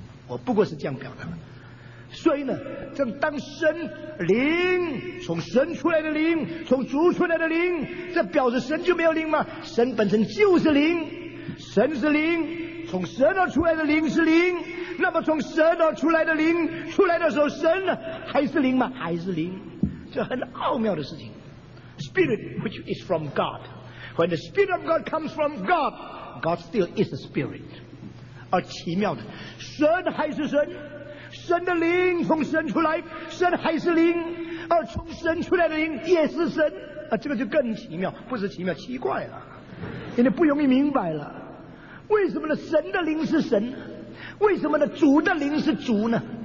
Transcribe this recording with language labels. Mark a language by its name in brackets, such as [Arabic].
[Chinese] 我不过是这样表达的。所以呢，正当神灵从神出来的灵，从主出来的灵，这表示神就没有灵吗？神本身就是灵，神是灵，从神而出来的灵是灵。那么从神而出来的灵出来的时候，神呢还是灵吗？还是灵，这很奥妙的事情。 [English] Spirit which is from God, when the Spirit of God comes from God, God still is a Spirit. [Chinese] 而奇妙的，神还是神。神的灵从神出来，神还是灵，而从神出来的灵也是神啊，这个就更奇妙，不是奇妙，奇怪了，因为不容易明白了。为什么呢？神的灵是神，为什么呢？主的灵是主呢？